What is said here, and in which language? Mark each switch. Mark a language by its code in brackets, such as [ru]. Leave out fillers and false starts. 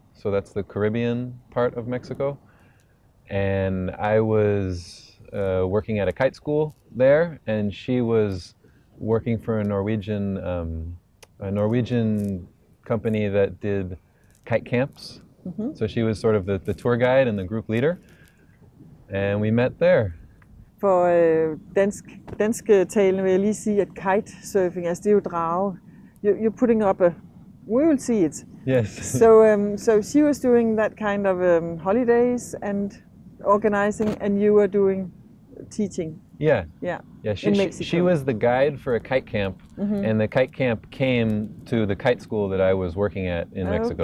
[en] So that's the Caribbean part of Mexico. And I was working at a kite school there and she was working for a Norwegian company that did kite camps. Mm-hmm. So she was sort of the tour guide and the group leader. And we met there. [da] For dansk talende vil jeg lige sige, at kite surfing, altså det er jo drage. [en] You're putting up a, we will see it. Yes. So so she was doing that kind of holidays and organizing and you were doing teaching. Yeah. Yeah. Yeah, she was the guide for a kite camp, mm-hmm. and the kite camp came to the kite school that I was working at in Mexico.